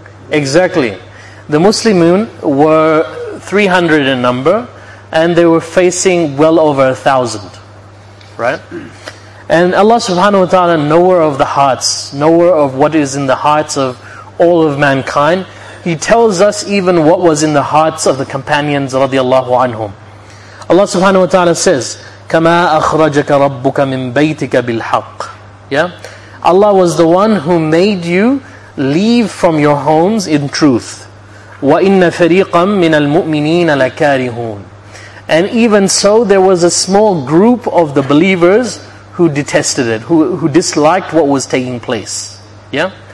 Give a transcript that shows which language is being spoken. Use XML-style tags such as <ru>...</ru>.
<en>Exactly. The Muslimin were 300 in number, and they were facing well over 1,000, right? And Allah subhanahu wa ta'ala, knower of the hearts, knower of what is in the hearts of all of mankind, He tells us even what was in the hearts of the companions radiallahu anhum. Allah subhanahu wa ta'ala says,</en> <ar>كَمَا أَخْرَجَكَ رَبُّكَ مِن بَيْتِكَ بِالْحَقِّ.</ar> <en>Yeah? Allah was the one who made you leave from your homes in truth.</en> <ar>وَإِنَّ فَرِيقًا مِّنَ الْمُؤْمِنِينَ لَكَارِهُونَ.</ar> <en>And even so, there was a small group of the believers who detested it, who disliked what was taking place. Yeah?</en>